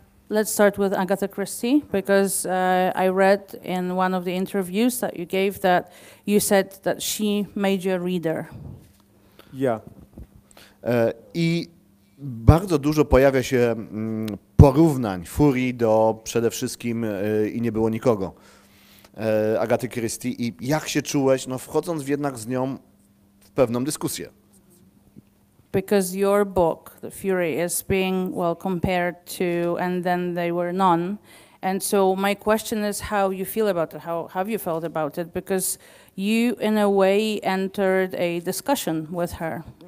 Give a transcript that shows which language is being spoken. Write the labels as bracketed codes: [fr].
[en] Let's start with Agatha Christie, because I read in one of the interviews that you gave that you said that she made you a reader. Yeah. [pl] I bardzo dużo pojawia się porównań Furii do przede wszystkim I nie było nikogo Agaty Christie. I jak się czułeś, no wchodząc jednak z nią pewną dyskusję. [en] Because your book, The Fury, is being well compared to And Then They Were None, And so my question is how you feel about it, how have you felt about it? Because you, in a way, entered a discussion with her.